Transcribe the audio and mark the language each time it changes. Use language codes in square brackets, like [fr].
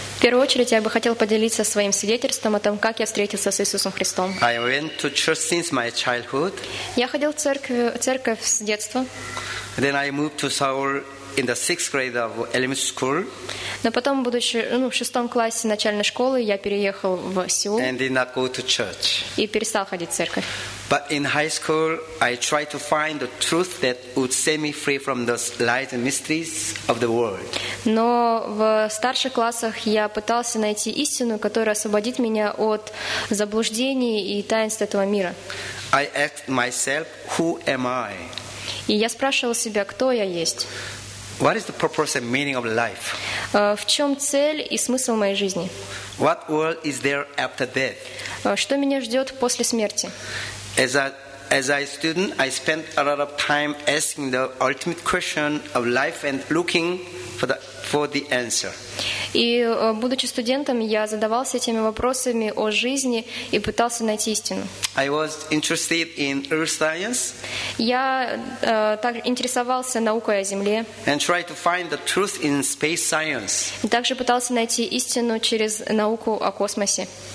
[ru] В первую очередь, я бы хотел поделиться своим свидетельством о том, как я встретился с Иисусом Христом. [en] I went to church since my childhood. [ru] Я ходил в церковь с детства. [en] Then I moved to Seoul in the sixth grade of elementary school. [ru] Но потом, будучи в шестом классе начальной школы, я переехал в Сеул. [en] And did not go to church. [ru] И перестал ходить в церковь. [en] But in high school, I tried to find the truth that would set me free from the lies and mysteries of the world. [ru] Но в старших классах я пытался найти истину, которая освободит меня от заблуждений и таинств этого мира. [en] I asked myself, who am I? [ru] И я спрашивал себя, кто я есть. [en] What is the purpose and meaning of life? [ru] В чем цель и смысл моей жизни? [en] What world is there after death? [ru] Что меня ждет после смерти? [en] As a student, I spent a lot of time asking the ultimate question of life and looking for the answer. [ru] И будучи студентом, я задавался этими вопросами о жизни и пытался найти истину. [en] I was interested in earth science. [ru] Я так интересовался наукой о Земле. [en] And tried to find the truth in space science. [ru] Также пытался найти истину через науку о космосе.